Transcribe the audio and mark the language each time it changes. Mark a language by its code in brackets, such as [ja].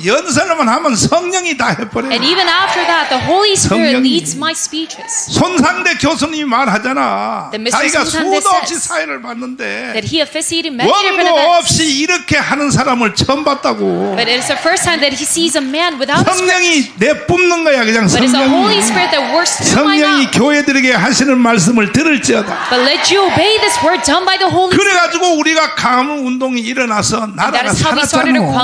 [ko] 연설만 하면 성령이 다 해버려요. [en] And even after that, the Holy Spirit leads my speeches. [ko] 손상대 교수님이 말하잖아. 자기가 수도 없이 사회를 봤는데 [en] that he officiated many different events. [ko] 원고 없이 이렇게 하는 사람을 처음 봤다고. [en] But it is the first time that he sees a man without a script. [ko] 성령이 내뿜는 거야 그냥 성령이. [en] But it's the Holy Spirit that works through my mouth. [ko] 성령이 교회들에게 하시는 말씀을 들을지어다. [en] But let you obey this word done by the Holy Spirit. [ko] 그래가지고 우리가 강화문 운동이 일어나서 나라가 살았잖아요.